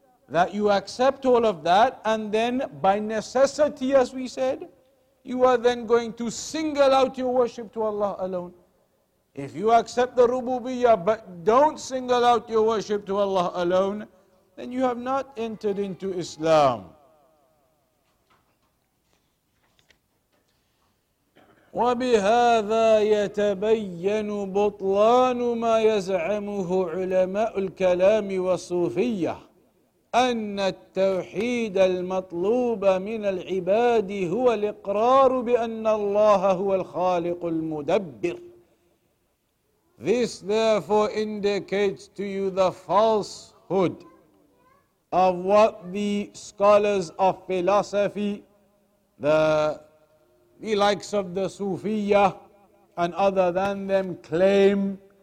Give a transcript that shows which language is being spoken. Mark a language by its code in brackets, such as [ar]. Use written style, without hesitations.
[en] That you accept all of that, and then by necessity, as we said, you are then going to single out your worship to Allah alone. If you accept the rububiyyah but don't single out your worship to Allah alone, then you have not entered into Islam. [ar] وَبِهَذَا يَتَبَيَّنُ بُطْلَانُ مَا يَزْعَمُهُ عُلَمَاءُ الْكَلَامِ وَالصُّوفِيَّةِ أن التوحيد المطلوب من العباد هو الإقرار بأن الله هو الخالق المدبر. [en] This therefore indicates to you the falsehood of what the scholars of philosophy, the likes of the Sufiyya and other than them claim.